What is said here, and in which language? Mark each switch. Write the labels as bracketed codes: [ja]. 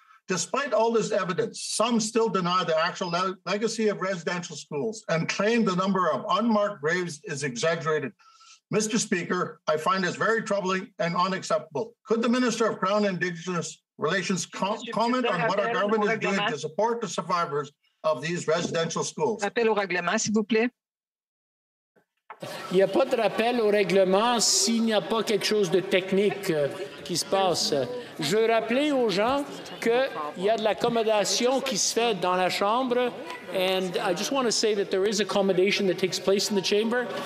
[en] Despite all this evidence, some still deny the actual legacy of residential schools and claim the number of unmarked graves is exaggerated. Mr. Speaker, I find this very troubling and unacceptable. Could the Minister of Crown and Indigenous Relations comment on what our government is doing to support the survivors of these residential schools? [fr] Appel au règlement, s'il vous plaît. Il n'y a pas de rappel au règlement s'il n'y a pas quelque chose de technique qui se passe. Je veux rappeler aux gens qu'il y a de l'accommodation qui se fait dans la chambre. [en] And I just want to say that there is accommodation that takes place in the chamber.